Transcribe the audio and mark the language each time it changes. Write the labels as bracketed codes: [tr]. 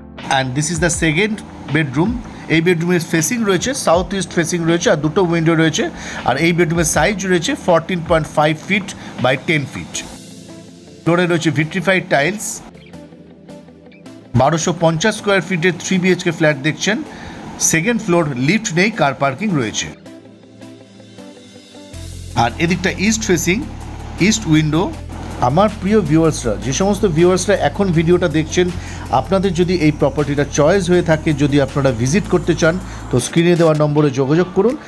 [en] And this is the second bedroom. [bn] এই বেডরুমের facing রয়েছে, সাউথ ইস্ট ফেসিং রয়েছে, আর দুটো উইন্ডো রয়েছে। আর এই বেডরুমের সাইজ রয়েছে 14.5 feet by 10 feet। ফ্লোরে রয়েছে vitrified tiles. 1250 square feet 3 BHK flat দেখছেন। সেকেন্ড ফ্লোর লিফ্ট নেই, কার পার্কিং রয়েছে। আর এদিকটা ইস্ট ফেসিং, ইস্ট উইন্ডো। আমার প্রিয় ভিউয়ার্সরা, যে সমস্ত ভিউয়ার্সরা এখন ভিডিওটা দেখছেন, আপনাদের যদি এই প্রপার্টিটা চয়েস হয়ে থাকে, যদি আপনারা ভিজিট করতে চান, তো স্ক্রিনে দেওয়া নম্বরে যোগাযোগ করুন।